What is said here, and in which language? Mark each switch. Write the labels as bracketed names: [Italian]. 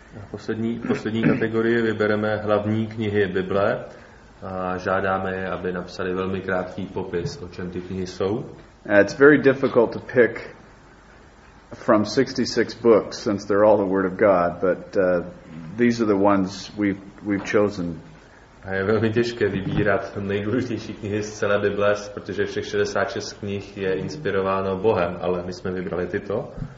[Czech] Poslední kategorie vybereme hlavní knihy Bible A žádáme je, aby napsali velmi krátký popis, o čem ty knihy jsou. [English] It's very difficult to pick from 66 books since they're all the word of God, but these are the ones we've chosen. [Czech] A je velmi těžké vybírat nejdůležitější knihy z celé Bible, protože všech 66 knih je inspirováno Bohem, ale my jsme vybrali tyto.